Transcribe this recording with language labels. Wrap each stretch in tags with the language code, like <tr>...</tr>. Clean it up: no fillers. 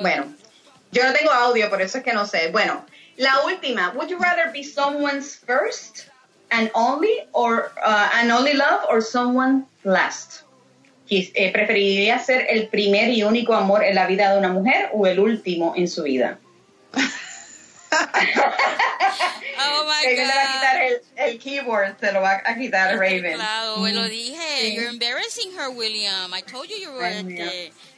<es>Bueno, yo no tengo audio, por eso es que no sé. Bueno, la última.</es> <en>Would you rather be someone's first and only, or an only love, or someone last?</en> <es>¿Preferiría ser el primer y único amor en la vida de una mujer o el último en su vida?</es> <en>Oh, my God.</en> <es>Le va a quitar el keyboard, se lo va a quitar Raven. Claro, me lo dije. Sí.</es> <en>You're embarrassing her, William. I told you you were at the...</en>